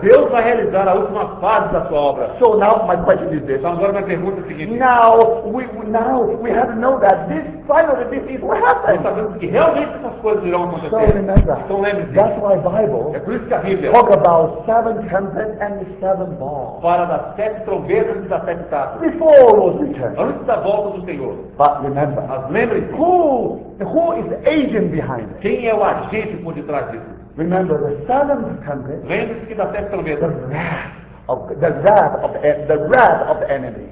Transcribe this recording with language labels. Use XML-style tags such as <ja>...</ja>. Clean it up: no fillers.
<pt>Deus vai realizar a última fase da sua obra.</pt> <en>So now my question is this.</en> <pt>Então agora minha pergunta é a seguinte.</pt> <en>Now we have to know that this final this is what happened.</en> <pt>Sabemos que realmente essas coisas irão acontecer.</pt> <en>So remember.</en> <pt>Então,</pt> <en>That's why Bible</en> <pt>é por isso que a Bíblia</pt> <en>talk about seven trumpets and the seven balls.</en> <pt>Fala das sete trombetas e das sete taças.</pt> <en>Before Lord's return.</en> <pt>Antes da volta do Senhor.</pt> <en>But remember.</en> <pt>Mas lembre-se.</pt> <en>Who is the agent behind it?</en> <pt>Quem é o agente por detrás disso?</pt> <en>Remember the seven trumpets.</en> <pt>Lembre-se que das sete trombetas.</pt> <en>The wrath of the enemy.</en>